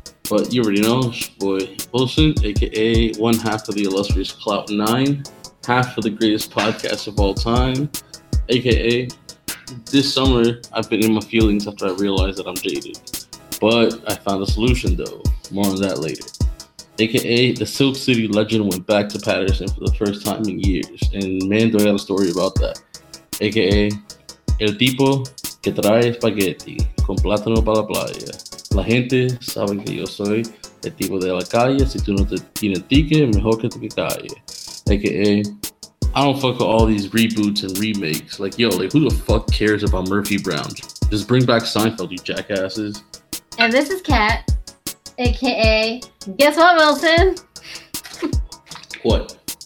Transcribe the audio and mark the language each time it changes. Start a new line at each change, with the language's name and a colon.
English: But you already know, it's your boy Wilson, aka one half of the illustrious Clout 9, half of the greatest podcast of all time, aka this summer I've been in my feelings after I realized that I'm jaded. But I found a solution though. More on that later. AKA, the Silk City legend went back to Patterson for the first time in years. And man, do I have a story about that.
Spanish: AKA, el tipo que trae espagueti con plátano para la playa. La gente sabe que yo soy el tipo de la calle. Si tú no te tienes ticket, mejor que tú que calle.
English: AKA, I don't fuck with all these reboots and remakes. Like, yo, like, who the fuck cares about Murphy Brown? Just bring back Seinfeld, you jackasses. And this is Kat. AKA, guess what, Wilson? What?